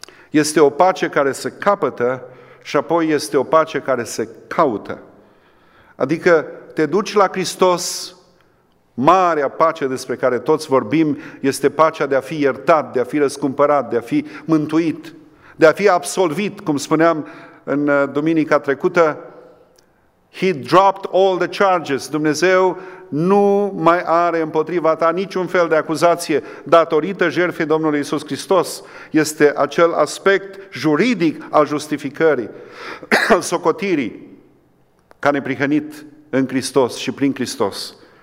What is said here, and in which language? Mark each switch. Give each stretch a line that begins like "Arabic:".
Romanian: Este o pace care se capătă și apoi este o pace care se caută. Adică te duci la Hristos, marea pace despre care toți vorbim este pacea de a fi iertat, de a fi răscumpărat, de a fi mântuit, de a fi absolvit, cum spuneam în duminica trecută,
English: He dropped all the charges.
Romanian: Dumnezeu nu mai are împotriva ta niciun fel de acuzație datorită jertfei Domnului Iisus Hristos. Este acel aspect juridic al justificării, al socotirii ca neprihănit în Hristos și prin Hristos.